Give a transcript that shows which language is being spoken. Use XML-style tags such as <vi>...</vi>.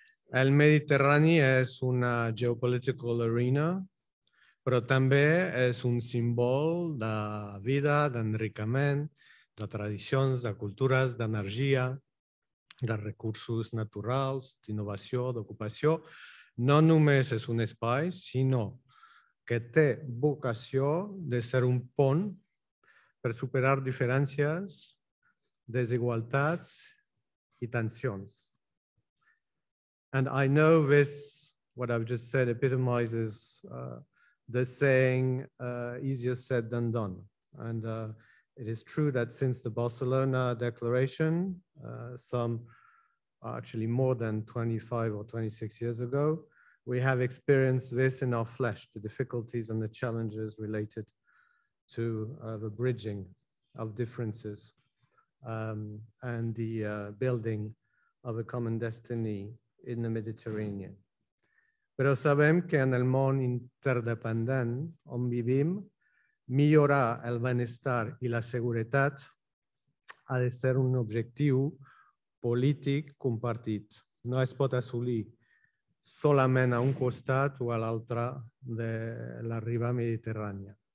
<ca>El Mediterrani és una</ca> <en>geopolitical arena,</en> <ca>però també és un símbol de vida, d'enricament, de tradicions, de cultures, d'energia, de recursos naturals, d'innovació, d'ocupació. No només és un espai, sinó que té vocació de ser un pont per superar diferències, desigualtats i tensions.</ca> <en>And I know this, what I've just said, epitomizes the saying, easier said than done. And it is true that since the Barcelona Declaration, more than 25 or 26 years ago, we have experienced this in our flesh, the difficulties and the challenges related to the bridging of differences and the building of a common destiny in the Mediterranean.</en> <ca>Però sabem que en el món interdependent on vivim, millorar el benestar i la seguretat ha de ser un objectiu polític compartit. No es pot assolir solament a un costat o a l'altre de la riba mediterrània.</ca>